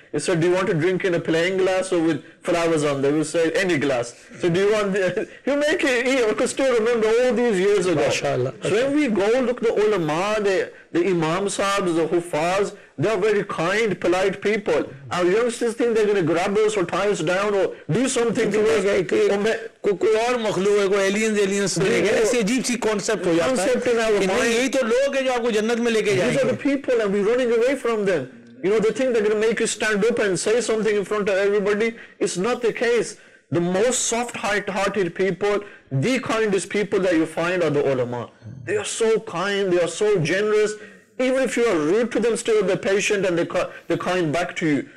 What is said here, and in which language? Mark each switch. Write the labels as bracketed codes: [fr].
[en] He said, do you want to drink in a plain glass or with flowers on there? We say, any glass. So do you want... you make it... I could still remember all these years ago. MashaAllah. So when we go look the ulama, the Imam Sahabs, the Huffaz, they are very kind, polite people. Our youngsters think they're going to grab us or tie us down or do something to us. [hi] कोई और मखलूक है, कोई aliens, aliens लेके ऐसे अजीब सी concept हो जाता है. [en] Concept in our mind. [hi] यही तो लोग हैं जो आपको जन्नत में लेके जाएंगे. [en] These are the people and we're running away from them. You know, they think they're going to make you stand up and say something in front of everybody. It's not the case. The most soft-hearted people, the kindest people that you find are the ulama. They are so kind, they are so generous. Even if you are rude to them, still they're patient and they're kind back to you.